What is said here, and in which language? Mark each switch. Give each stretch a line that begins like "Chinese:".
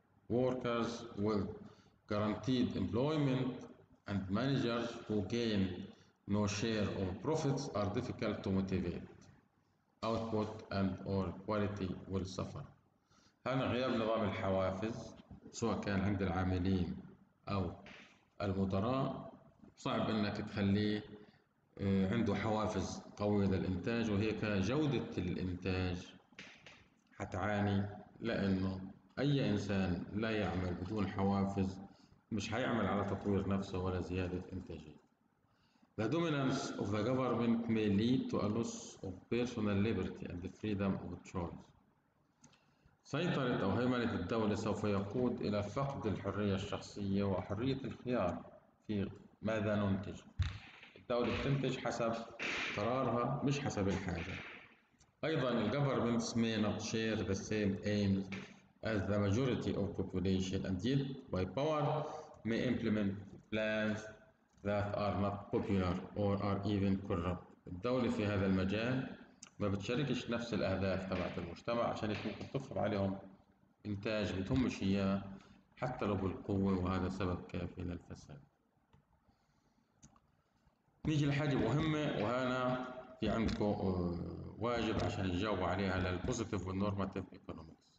English: Workers with guaranteed employment and managers who gain no share of profits are difficult to motivate. Output and or quality will suffer.
Arabic: هنا غياب نظام الحوافز، سواء كان عند العاملين أو المدراء، صعب إنك تخليه عنده حوافز قوية للإنتاج، وهيك جودة الإنتاج حتعاني، لأنه أي إنسان لا يعمل بدون حوافز مش هيعمل على تطوير نفسه ولا زيادة إنتاجية.
English: The dominance of the government may lead to a loss of personal liberty and the freedom of choice.
Arabic: سيطرة أو هيمنة الدولة سوف يقود إلى فقد الحرية الشخصية وحرية الخيار في ماذا ننتج. الدولة بتنتج حسب قرارها مش حسب الحاجة. أيضا الـ
English: governments may not share the same aims as the majority of population and yet by power may implement plans that are not popular or are even corrupt.
Arabic: الدولة في هذا المجال ما بتشاركش نفس الأهداف تبعت المجتمع، عشان هيك ممكن تفرض عليهم إنتاج بدهمش إياه حتى لو بالقوة، وهذا سبب كافي للفساد. نيجي لحاجة مهمة، وهنا في عندكم واجب عشان تجاوبوا عليها، للبوزيتيف والنورماتيف ايكونومكس.